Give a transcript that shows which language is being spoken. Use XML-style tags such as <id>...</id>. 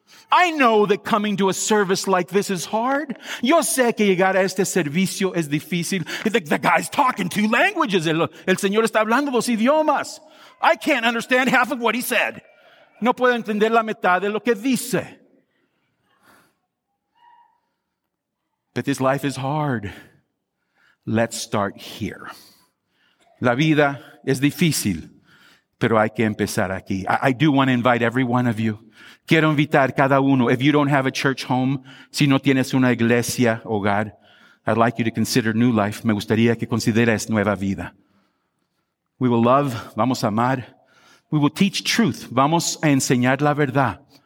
<en>I know that coming to a service like this is hard.</en> <es>Yo sé que llegar a este servicio es difícil.</es> <en>The guy's talking two languages.</en> <es>El Señor está hablando dos idiomas.</es> <en>I can't understand half of what he said.</en> <es>No puedo entender la mitad de lo que dice.</es> <en>But this life is hard. Let's start here.</en> <es>La vida es difícil, pero hay que empezar aquí.</es> <en>I do want to invite every one of you.</en> <es>Quiero invitar cada uno.</es> <en>If you don't have a church home,</en> <es>si no tienes una iglesia, hogar,</es> <en>I'd like you to consider new life.</en> <es>Me gustaría que consideres nueva vida.</es> <en>We will love,</en> <es>vamos a amar.</es> <en>We will teach truth,</en> <es>vamos a enseñar la verdad.</es>